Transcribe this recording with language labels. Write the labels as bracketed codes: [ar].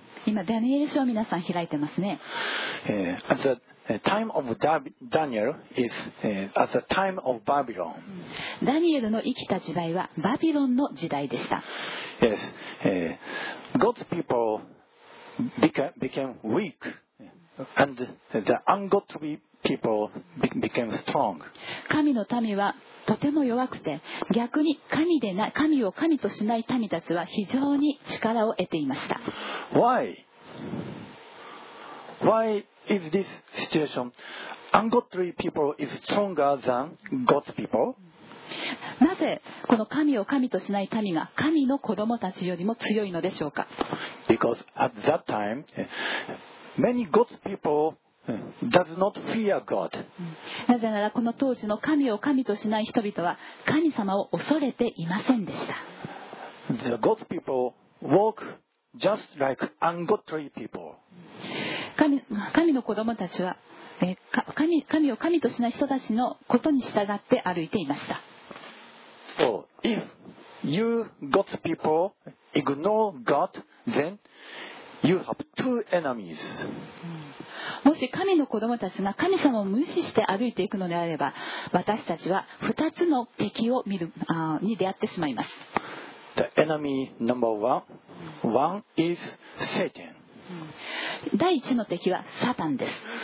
[ja] 今ダニエル書を皆さん開いてますね。 [en] As a time of Daniel is as a time of Babylon. [ja] ダニエルの生きた時代はバビロンの時代でした。 [en] Yes, God's people became weak, and the ungodly people became strong. [ja] 神の民はとても弱くて、逆に神を神としない民たちは非常に力を得ていました。 [en] Why is this situation? Ungodly people is stronger than God's people? [ja] なぜこの神を神としない民が神の子供たちよりも強いのでしょうか。 [en] Because at that time, many God's people does not fear God. [ja] なぜならこの当時の神を神としない人々は神様を恐れていませんでした。 [en] The God's people walk just like ungodly people. [ja] 神の子供たちは神を神としない人たちのことに従って歩いていました。 [en] So if you God's people ignore God, then you have two enemies. [ja] もし神の子供たちが神様を無視して歩いていくのであれば、私たちは2つの敵を見るに出会ってしまいます。 [en] The enemy number one is Satan. [ja] 第一の敵はサタンです。